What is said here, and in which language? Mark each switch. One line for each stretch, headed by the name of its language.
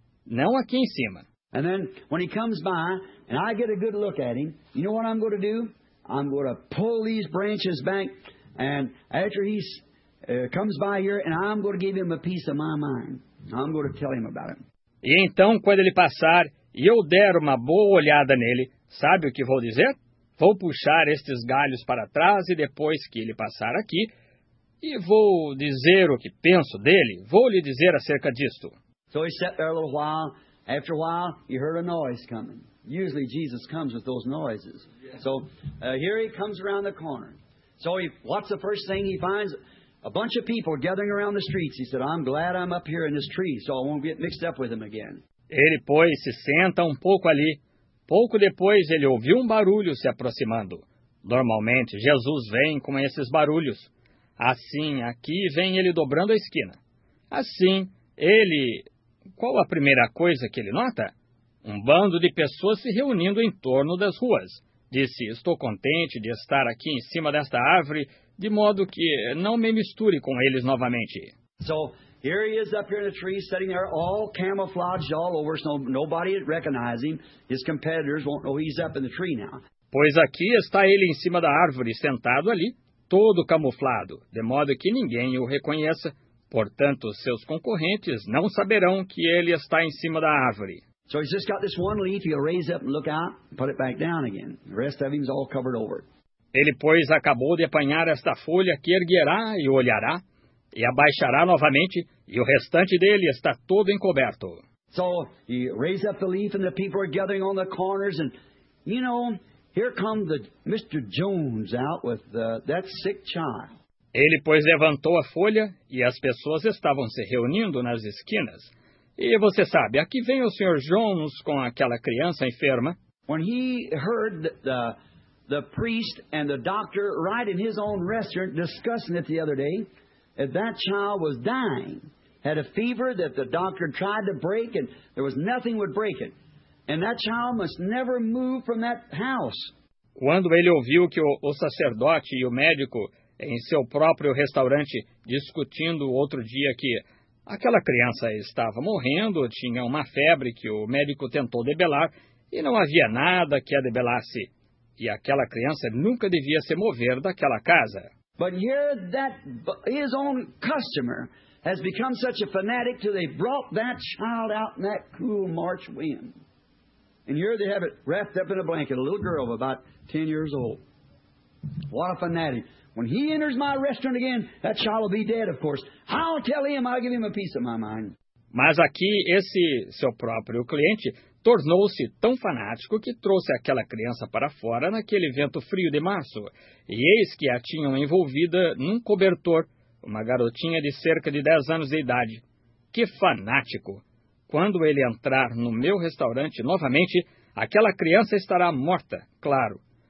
Portuguese: Não aqui em cima.
English: And then when he comes by and I get a good look at him, you know what I'm going to do? I'm going to pull these branches back and after he comes by here and I'm going to give him a piece of my mind. I'm going to tell him about it.
Portuguese: E então quando ele passar e eu der uma boa olhada nele, sabe o que vou dizer? Vou puxar estes galhos para trás e depois que ele passar aqui e vou dizer o que penso dele, vou lhe dizer acerca disto.
English: So he sat there a little while. After a while, he heard a noise coming. Usually, Jesus comes with those noises. So, here he comes around the corner. So, what's the first thing he finds? A bunch of people gathering around the streets. He said, I'm glad I'm up here in this tree, so I won't get mixed up with them again.
Portuguese: Ele, pois, se senta um pouco ali. Pouco depois, ele ouviu um barulho se aproximando. Normalmente, Jesus vem com esses barulhos. Assim, aqui vem ele dobrando a esquina. Assim, ele... Qual a primeira coisa que ele nota? Um bando de pessoas se reunindo em torno das ruas. Disse, estou contente de estar aqui em cima desta árvore, de modo que não me misture com eles novamente.
English: So, here he is up here in a tree, sitting there, all camouflaged all over, so nobody recognizes him. His competitors won't know he's up in the tree now.
Portuguese: Pois aqui está ele em cima da árvore, sentado ali, todo camuflado, de modo que ninguém o reconheça. Portanto, seus concorrentes não saberão que ele está em cima da árvore.
English: So he's just got this one leaf, he'll raise up and look out, put it back down again. The rest of him's all covered over.
Portuguese: Ele, pois, acabou de apanhar esta folha que erguerá e olhará, e abaixará novamente, e o restante dele está todo encoberto.
English: So he raised up the leaf and the people are gathering on the corners and, you know, here comes the Mr. Jones out with that sick child.
Portuguese: Ele, pois, levantou a folha e as pessoas estavam se reunindo nas esquinas. E você sabe, aqui vem o Sr. Jones com aquela criança enferma.
English: When he heard the priest and the doctor right in his own restaurant discussing it the other day, that child was dying, had a fever that the doctor tried to break and there was nothing would break it. And that child must never move from that house.
Portuguese: Quando ele ouviu que o sacerdote e o médico em seu próprio restaurante discutindo outro dia que aquela criança estava morrendo, tinha uma febre que o médico tentou debelar e não havia nada que a debelasse. E aquela criança nunca devia se mover daquela casa.
English: But here that his own customer has become such a fanatic till they brought that child out in that cool March wind. And here they have it wrapped up in a blanket, a little girl of about 10 years old. What a fanatic. When he enters my restaurant again, that child will be dead, of course. I'll tell him, I'll give him a piece of my mind.
Portuguese: Mas aqui, esse seu próprio cliente tornou-se tão fanático que trouxe aquela criança para fora naquele vento frio de março. E eis que a tinham envolvida num cobertor, uma garotinha de cerca de 10 anos de idade. Que fanático! Quando ele entrar no meu restaurante novamente, aquela criança estará morta, claro.